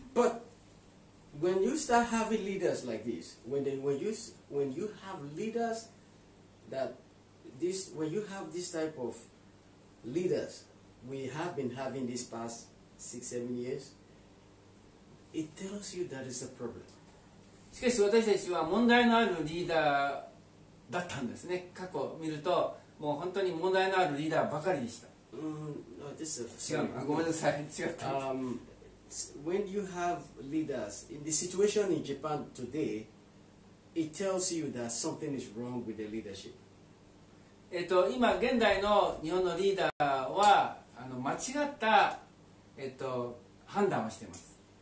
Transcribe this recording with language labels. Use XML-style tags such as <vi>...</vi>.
<en>But when you start having leaders like this, when you have leaders that this, when you have this type of leaders, we have been having this past 6-7 years. It tells you that is a problem.</en> <ja>しかし私たちは問題のあるリーダーだったんですね。過去を見ると、もう本当に問題のあるリーダーばかりでした。違った。</ja> <en>When you have leaders, in the situation in Japan today, it tells you that something is wrong with the leadership.</en> <ja>今現代の日本のリーダーは間違った、判断をしています。</ja>